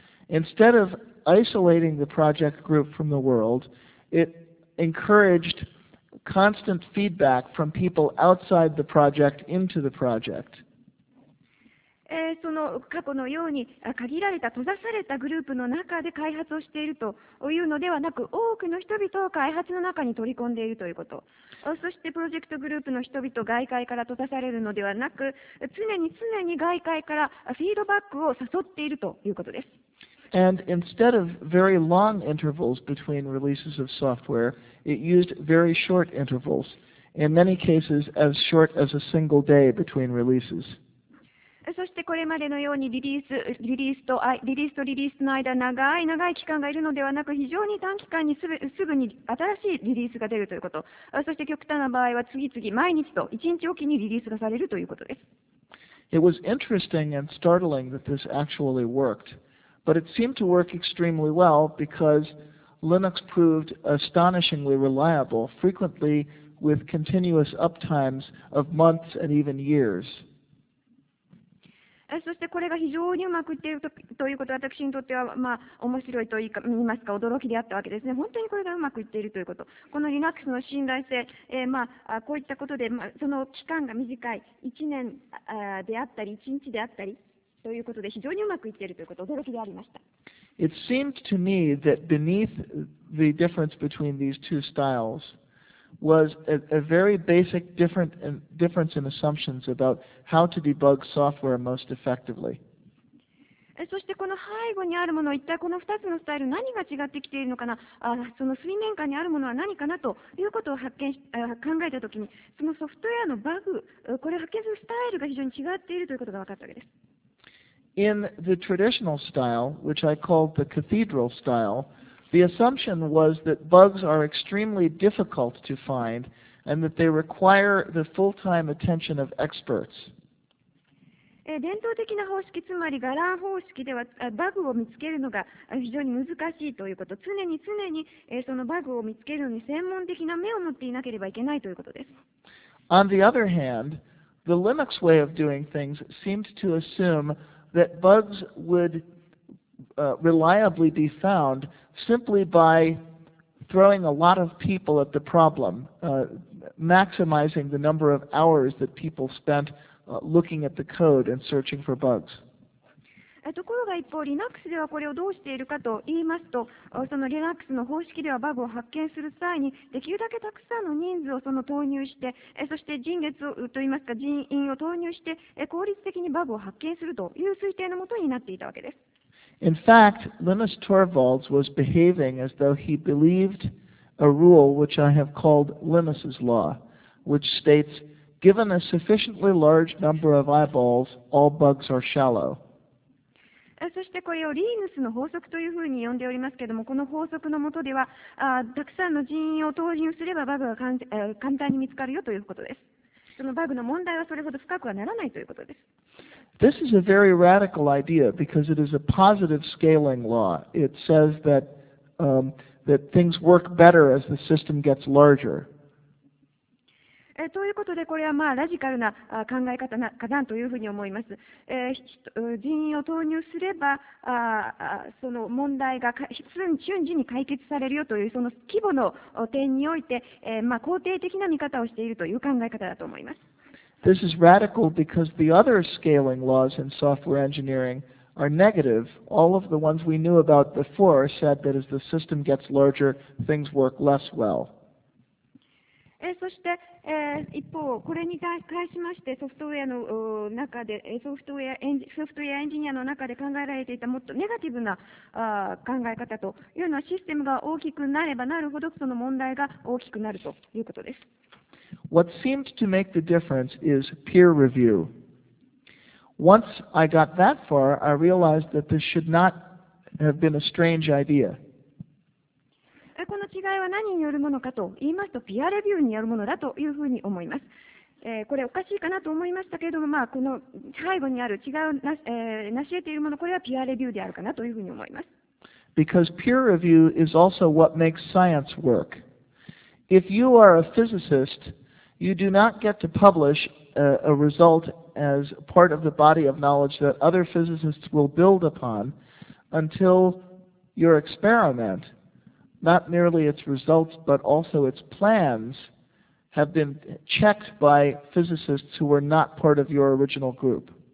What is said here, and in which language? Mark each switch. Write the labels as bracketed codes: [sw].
[en] Instead of isolating the project group from the world, it encouraged constant feedback from people outside the project into the project. [ja] その過去のように限られた閉ざされたグループの中で開発をしているというのではなく、多くの人々を開発の中に取り込んでいるということ、そしてプロジェクトグループの人々外界から閉ざされるのではなく、常に外界からフィードバックを誘っているということです。 [en] And instead of very long intervals between releases of software, it used very short intervals, in many cases as short as a single day between releases. [ja] そしてこれまでのようにリリースとリリースの間長い長い期間がいるのではなく、非常に短期間にすぐに新しいリリースが出るということ、そして極端な場合は次々毎日と1日おきにリリースがされるということです。 [en] It was interesting and startling that this actually worked, but it seemed to work extremely well because Linux proved astonishingly reliable, frequently with continuous uptimes of months and even years. [ja] そしてこれが非常にうまくいっているということは、私にとっては面白いと言いますか、驚きであったわけですね。本当にこれがうまくいっているということ。この Linux の信頼性、こういったことで、その期間が短い、1年であったり、1日であったりということで、非常にうまくいっているということ、驚きでありました。 [en] It seemed to me that beneath the difference between these two styles,was a very basic difference in assumptions about how to debug software most effectively. [ja] そしてこの背後にあるもの、一体この2つのスタイル何が違ってきているのかな、その水面下にあるものは何かなということを考えたときに、そのソフトウェアのバグ、これを発見するスタイルが非常に違っているということが分かったわけです。 [en] In the traditional style, which I called the cathedral style,The assumption was that bugs are extremely difficult to find and that they require the full-time attention of experts. [ja] 伝統的な方式、つまりガラン方式では、バグを見つけるのが非常に難しいということ。常にそのバグを見つけるのに専門的な目を持っていなければいけないということです。 [en] On the other hand, the Linux way of doing things seemed to assume that bugs would reliably be found simply by throwing a lot of people at the problem, maximizing the number of hours that people spent looking at the code and searching for bugs. [ja] ところが一方、Linux ではこれをどうしているかと言いますと、その Linux の方式ではバグを発見する際に、できるだけたくさんの人数をその投入して、そして人月をといいますか人員を投入して、効率的にバグを発見するという推定のもとになっていたわけです。 [en] In fact, Linus Torvalds was behaving as though he believed a rule which I have called Linus's law, which states, given a sufficiently large number of eyeballs, all bugs are shallow. [ja] そしてこれをリーヌスの法則というふうに呼んでおりますけれども、この法則のもとでは、たくさんの人員を投入すればバグが簡単に見つかるよということです。そのバグの問題はそれほど深くはならないということです。 [en] This is a very radical idea because it is a positive scaling law. It says that, that things work better as the system gets larger. [ja] ということで、これはまあラジカルな考え方かなというふうに思います。人員を投入すれば、その問題が瞬時に解決されるよというその規模の点において、まあ肯定的な見方をしているという考え方だと思います。 [en] This is radical because the other scaling laws in software engineering are negative. All of the ones we knew about before said that as the system gets larger, things work less well. [ja] そして、一方、これに対しましてソフトウェアの中で、ソフトウェアエンジニアの中で考えられていたもっとネガティブな考え方というのはシステムが大きくなればなるほどその問題が大きくなるということです。 [en] What seemed to make the difference is peer review. Once I got that far, I realized that this should not have been a strange idea. [ja] この違いは何によるものかと言いますと、ピアレビューによるものだというふうに思います。これおかしいかなと思いましたけれども、まあ、この背後にある違いをなし得ているもの、これはピアレビューであるかなというふうに思います。 [en] Because peer review is also what makes science work. If you are a physicist,You do not get to publish a result as part of the body of knowledge that other physicists will build upon until your experiment, not merely its results, but also its plans, have been checked by physicists who were not part of your original group.